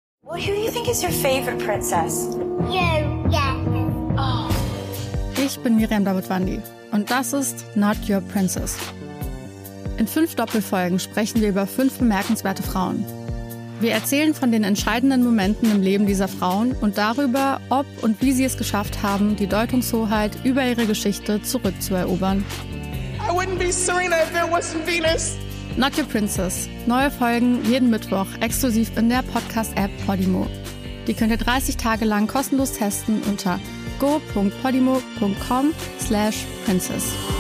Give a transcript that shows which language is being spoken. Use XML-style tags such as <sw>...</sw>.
<en>Well, who do you think is your favorite princess? You, yeah. Oh.</en> <de>Ich bin Miriam Dawood-Wandi und das ist Not Your Princess. In 5 Doppelfolgen sprechen wir über 5 bemerkenswerte Frauen. Wir erzählen von den entscheidenden Momenten im Leben dieser Frauen und darüber, ob und wie sie es geschafft haben, die Deutungshoheit über ihre Geschichte zurückzuerobern.</de> <en>I wouldn't be Serena if there wasn't Venus. Not Your Princess.</en> <de>Neue Folgen jeden Mittwoch exklusiv in der Podcast-App Podimo. Die könnt ihr 30 Tage lang kostenlos testen unter go.podimo.com/princess.</de>